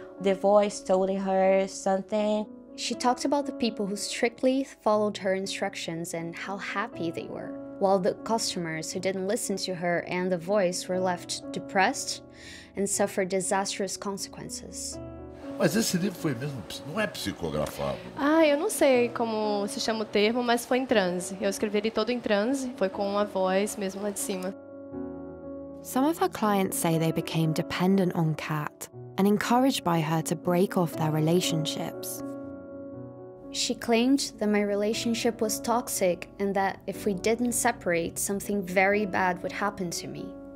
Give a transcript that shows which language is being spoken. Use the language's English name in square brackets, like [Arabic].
[English] The voice told her something. She talked about the people who strictly followed her instructions and how happy they were, while the customers who didn't listen to her and the voice were left depressed and suffered disastrous consequences. [Portuguese] Mas esse livro foi mesmo, não é psicografado. Ah, eu não sei como se chama o termo, mas foi em transe. Eu escrevi ele todo em transe, foi com a voz mesmo lá de cima. [English] Some of her clients say they became dependent on Kat and encouraged by her to break off their relationships. She claimed that my relationship was toxic and that if we didn't separate, something very bad would happen to me.